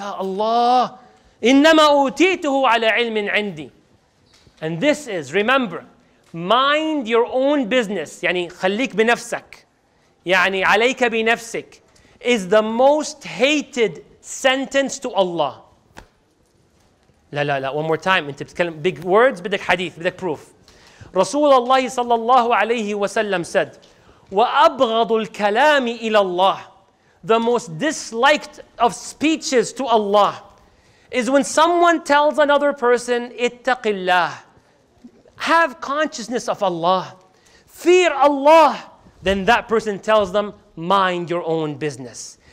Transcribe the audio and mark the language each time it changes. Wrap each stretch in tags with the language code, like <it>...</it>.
<en>Ya Allah.</en> <ar>إِنَّمَا أُوتِيتُهُ عَلَى عِلْمٍ عِنْدِ.</ar> <en>And this is, remember, mind your own business.</en> <ar>يعني خليك بنفسك. يعني عليك بنفسك.</ar> <en>Is the most hated sentence to Allah.</en> <ar>لا لا لا,</ar> <en>one more time.</en> <ar>أنت بتتكلم</ar> <en>big words,</en> <ar>بدك حديث, بدك</ar> <en>proof.</en> <ar>رسول الله صلى الله عليه وسلم</ar> <en>said,</en> <ar>وأبغض الكلام إلى الله.</ar> <en>The most disliked of speeches to Allah is when someone tells another person,</en> <ar>اتق الله.</ar> <en>Have consciousness of Allah. Fear Allah. Then that person tells them, mind your own business.</en>